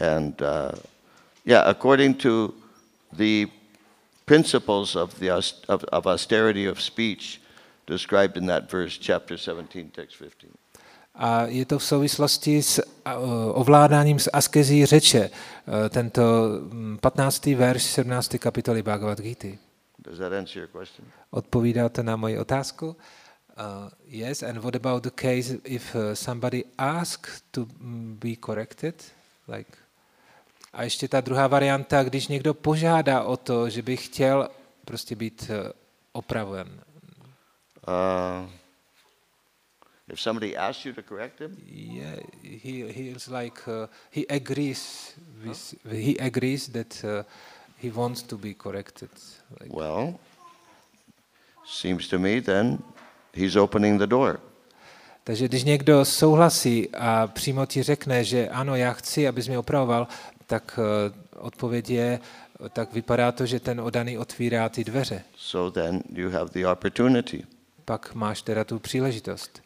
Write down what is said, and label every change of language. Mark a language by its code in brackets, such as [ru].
[en] According to the principles of austerity of speech described in that verse chapter 17 text 15. [cs] A je to v souvislosti s ovládáním z askezí řeče, tento 15. verš 17. kapitoly Bhagavad Gita. [en] Does that answer your question? [cs] Odpovídá to na moji otázku? [en] Yes, and what about the case if somebody asks to be corrected? [cs] Like, a ještě ta druhá varianta, když někdo požádá o to, že by chtěl prostě být opraven. [en] If somebody asks you to correct him? Yeah, he agrees that he wants to be corrected. Like, well, seems to me then he's opening the door. [cs] Takže když někdo souhlasí a přímo ti řekne, že ano, já chci, abys mě opravoval, tak odpověď je, tak vypadá to, že ten odaný otvírá ty dveře. [en] So then you have the opportunity. [cs] Pak máš teda tu příležitost.